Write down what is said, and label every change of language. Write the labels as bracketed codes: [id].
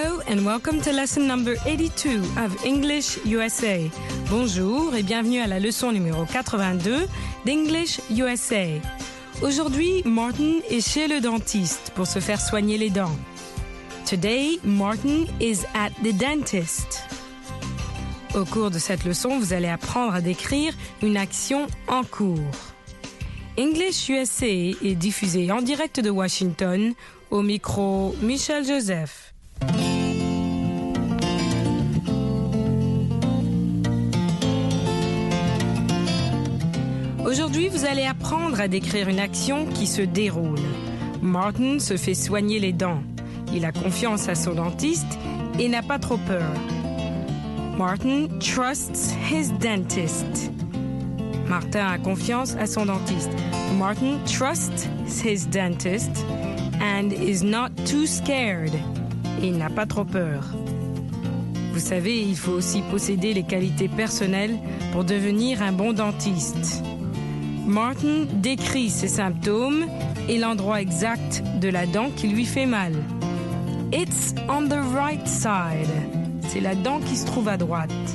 [en] And welcome to lesson number 82 of English USA. [fr] Bonjour et bienvenue à la leçon numéro 82 d'English USA. Aujourd'hui, Martin est chez le dentiste pour se faire soigner les dents. [en] Today, Martin is at the dentist. [fr] Au cours de cette leçon, vous allez apprendre à décrire une action en cours. English USA est diffusé en direct de Washington. Au micro, Michel Joseph. Aujourd'hui, vous allez apprendre à décrire une action qui se déroule. Martin se fait soigner les dents. Il a confiance à son dentiste et n'a pas trop peur. [en] Martin trusts his dentist. [fr] Martin a confiance à son dentiste. [en] Martin trusts his dentist and is not too scared. [fr] Il n'a pas trop peur. Vous savez, il faut aussi posséder les qualités personnelles pour devenir un bon dentiste. Martin décrit ses symptômes et l'endroit exact de la dent qui lui fait mal. [en] It's on the right side. [fr] C'est la dent qui se trouve à droite.